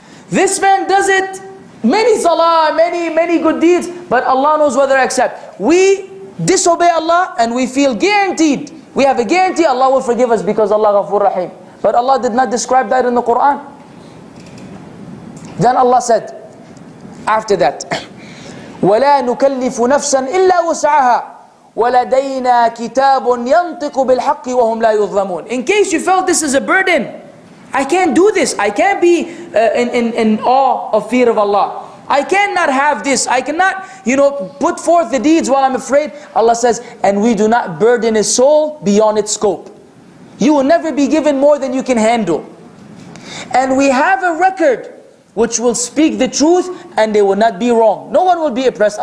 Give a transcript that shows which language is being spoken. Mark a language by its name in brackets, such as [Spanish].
[English] This man does it, many salah, many good deeds, but Allah knows whether to accept. We disobey Allah and we feel guaranteed. We have a guarantee Allah will forgive us because Allah Ghafoor Rahim. But Allah did not describe that in the Quran. Then Allah said, after that, [Arabic] وَلَا نُكَلِّفُ نَفْسًا إِلَّا وُسْعَهَا وَلَدَيْنَا كِتَابٌ يَنْطِقُ بِالْحَقِّ وَهُمْ لَا يُظْلَمُونَ. [English] In case you felt this is a burden, I can't do this. I can't be in awe of fear of Allah. I cannot have this. I cannot, you know, put forth the deeds while I'm afraid. Allah says, and we do not burden a soul beyond its scope. You will never be given more than you can handle. And we have a record which will speak the truth and they will not be wrong. No one will be oppressed.